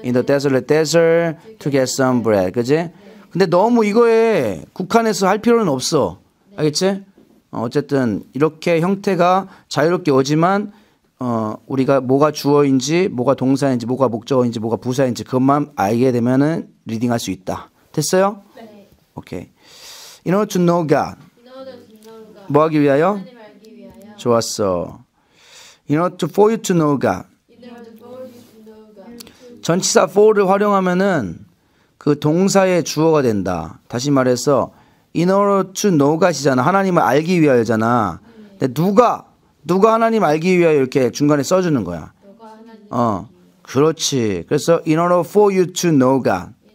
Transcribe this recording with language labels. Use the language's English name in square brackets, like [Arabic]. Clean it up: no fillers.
[English] In the desolate desert to get some bread, [Korean] 그지? 네. 근데 너무 이거에 국한해서 할 필요는 없어. 네. 알겠지? 어쨌든 이렇게 형태가 자유롭게 오지만 우리가 뭐가 주어인지, 뭐가 동사인지, 뭐가 목적어인지, 뭐가 부사인지 그것만 알게 되면은 리딩할 수 있다. 됐어요? 네. [English] 오케이. In order to know God. In order to know God. [Korean] 뭐 하기 위하여? 하나님 알기 위하여. 좋았어. [English] In order to for you to know God. In order for you to know God. [Korean] 전치사 for를 활용하면은 그 동사의 주어가 된다. 다시 말해서 [English] in order to know God이잖아. [Korean] 하나님을 알기 위하여잖아. 근데 누가 하나님 알기 위하여 이렇게 중간에 써주는 거야. 누가 하나님. 그렇지. 그래서 [English] in order for you to know God.